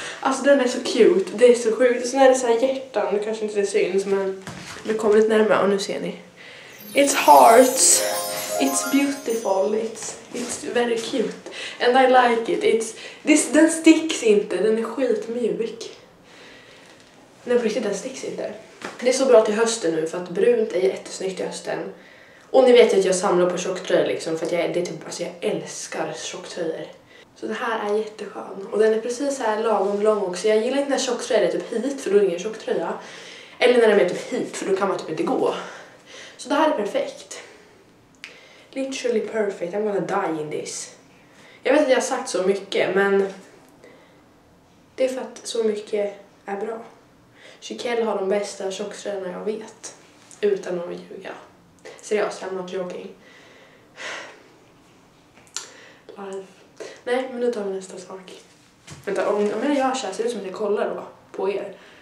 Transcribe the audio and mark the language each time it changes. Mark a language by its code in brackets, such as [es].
[sv] Alltså den är så cute, det är så sjukt. Sen är det så här hjärtan, det kanske inte det syns, men det kommer lite närmare och nu ser ni. [en] It's hearts. It's beautiful, it's very cute. And I like it, [sv] den sticks inte, den är skitmjuk. Nej, på riktigt, den sticks inte. Det är så bra till hösten nu, för att brunt är jättesnyggt i hösten. Och ni vet ju att jag samlar på tjocktröjor liksom, för att jag älskar tjocktröjor. Så det här är jätteskön. Och den är precis så här lagom lång också. Jag gillar inte när tjocktröjor är typ hit, för då är ingen tjocktröja. Eller när de är typ hit, för då kan man typ inte gå. Så det här är perfekt. [en] Literally perfect, I'm gonna die in this. [sv] Jag vet att jag har sagt så mycket, men det är för att så mycket är bra. Chiquelle har de bästa tjocktröjorna jag vet, utan att ljuga. Seriöst, [en] I'm not joking. [sv] Life. Nej, men nu tar vi nästa sak. Vänta, om jag gör så här, ser det ut som att jag kollar då på er.